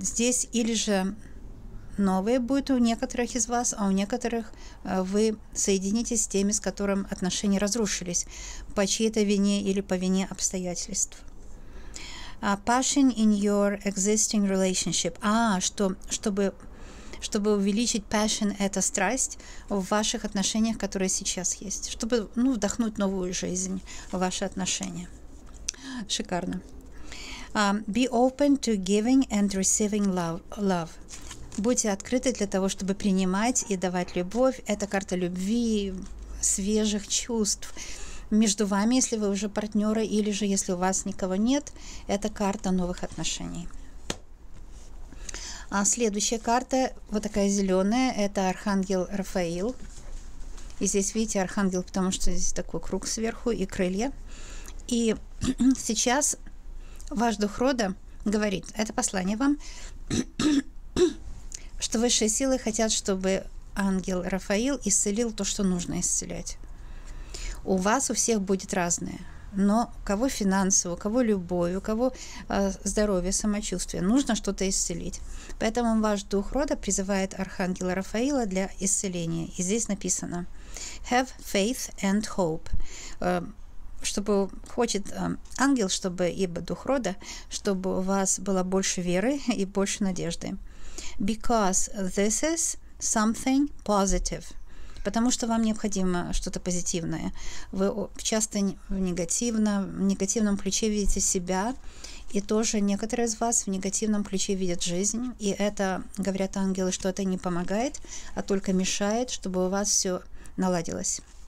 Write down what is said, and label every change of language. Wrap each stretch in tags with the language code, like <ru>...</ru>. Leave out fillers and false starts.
<ru>Здесь или же новые будут у некоторых из вас, а у некоторых вы соединитесь с теми, с которым отношения разрушились по чьей-то вине или по вине обстоятельств.</ru> <en>A passion in your existing relationship.</en> <ru>А, чтобы увеличить passion, это страсть в ваших отношениях, которые сейчас есть. Чтобы, ну, вдохнуть новую жизнь в ваши отношения. Шикарно.</ru> <en>Be open to giving and receiving love.</en> <ru>Будьте открыты для того, чтобы принимать и давать любовь. Это карта любви, свежих чувств. Между вами, если вы уже партнеры, или же если у вас никого нет, это карта новых отношений. А следующая карта, вот такая зеленая, это Архангел Рафаил. И здесь, видите, Архангел, потому что здесь такой круг сверху и крылья. И сейчас ваш дух рода говорит, это послание вам, что высшие силы хотят, чтобы Ангел Рафаил исцелил то, что нужно исцелять. У вас у всех будет разное, но у кого финансово, у кого любовь, у кого здоровье, самочувствие, нужно что-то исцелить. Поэтому ваш дух рода призывает Архангела Рафаила для исцеления. И здесь написано</ru> <en>«Have faith and hope».</en> <ru>Чтобы хочет ангел, чтобы ибо дух рода, чтобы у вас было больше веры и больше надежды.</ru> <en>Because this is something positive.</en> <ru>Потому что вам необходимо что-то позитивное. Вы часто в негативном ключе видите себя, и тоже некоторые из вас в негативном ключе видят жизнь. И это, говорят ангелы, что это не помогает, а только мешает, чтобы у вас все наладилось.</ru>